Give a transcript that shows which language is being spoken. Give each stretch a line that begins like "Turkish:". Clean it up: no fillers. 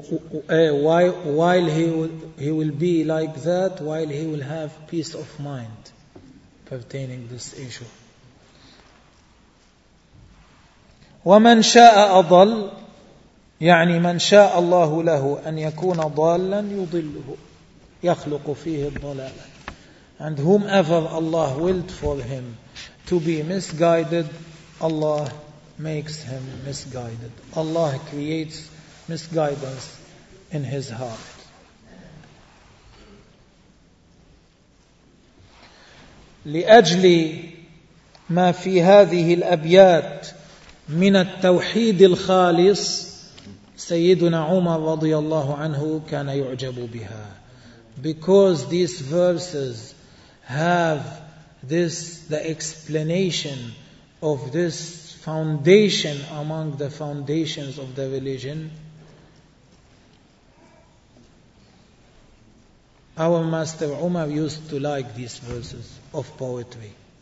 English: While he will be like that, while he will have peace of mind pertaining this issue.
Arabic: ومن شاء أضل يعني من شاء الله له أن يكون ضالا يضله يخلق فيه الضلال.
English: And whomever Allah willed for him to be misguided, Allah makes him misguided. Allah creates misguidance in his heart.
Arabic: لأجل ما في هذه الأبيات من التوحيد الخالص, سيدنا عمر رضي الله عنه كان يعجب بها.
English: Because these verses have this, the explanation of this foundation among the foundations of the religion, our master Umar used to like these verses of poetry.